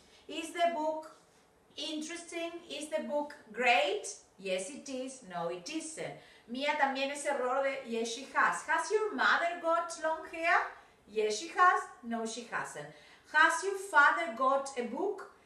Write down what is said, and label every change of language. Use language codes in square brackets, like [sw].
[en] Is the book interesting? Is the book great? Yes, it is. No, it isn't. [es] Mía también ese error de [en] yes, she has. Has your mother got long hair? Yes, she has. No, she hasn't. Has your father got a book?